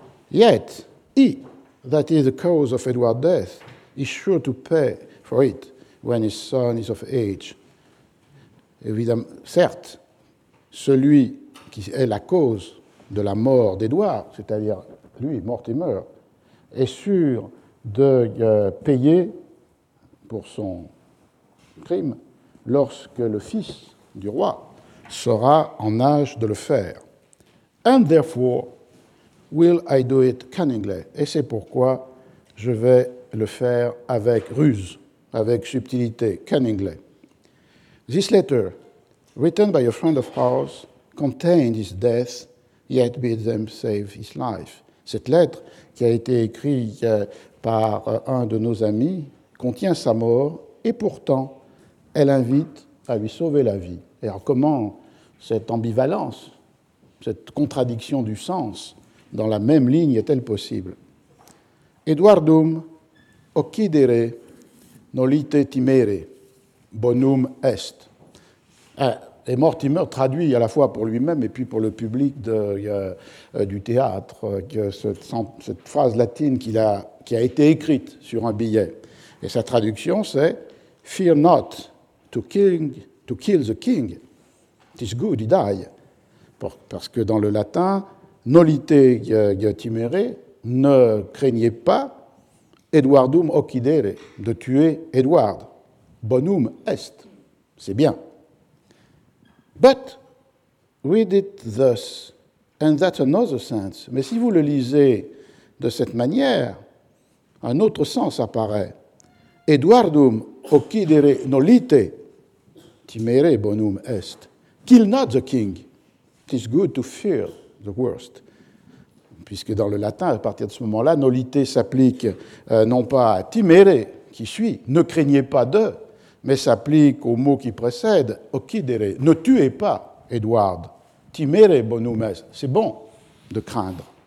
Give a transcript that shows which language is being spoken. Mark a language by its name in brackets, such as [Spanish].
[English] Yet, he, that is the cause of Edward's death, is sure to pay for it when his son is of age. [French] Évidemment, certes, celui qui est la cause de la mort d'Edward, c'est-à-dire lui, Mortimer, est sûr de payer pour son crime lorsque le fils du roi sera en âge de le faire. [English] And therefore, will I do it cunningly? [French] Et c'est pourquoi je vais le faire avec ruse, avec subtilité, cunningly. [English] This letter, written by a friend of ours, contained his death, yet bid them save his life. [French] Cette lettre, qui a été écrite par un de nos amis, contient sa mort, et pourtant, elle invite à lui sauver la vie. Et alors, comment cette ambivalence, cette contradiction du sens, dans la même ligne, est-elle possible ? [Latin] Eduardum occidere nolite timere, bonum est. [French] Et Mortimer traduit à la fois pour lui-même et puis pour le public du théâtre cette phrase latine qui a été écrite sur un billet. Et sa traduction, c'est « [English] Fear not to kill the king, it is good he die ». [French] Parce que dans le latin, « [Latin] nolite timere [French] », ne craignez pas « [Latin] Edwardum occidere [French] », de tuer Edward. « [Latin] Bonum est [French] », c'est bien. [English] But read it thus, and that's another sense. [French] Mais si vous le lisez de cette manière, un autre sens apparaît. [Latin] Eduardum occidere nolite timere bonum est. [English] Kill not the king. It is good to fear the worst. [French] puisque dans le latin, à partir de ce moment-là, nolité s'applique non pas à timere, qui suit, ne craignez pas de, mais s'applique au mot qui précède, occidere, ne tuez pas, Edward, [Latin] timere bonum est, [French] c'est bon de craindre.